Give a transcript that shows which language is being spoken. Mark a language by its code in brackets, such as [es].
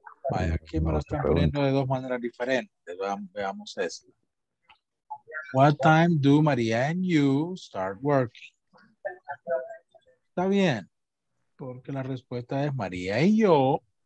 [es] Vaya, aquí me lo están poniendo de dos maneras diferentes. Veamos esto. [en] What time do María and you start working? [es] Está bien, porque la respuesta es María y yo.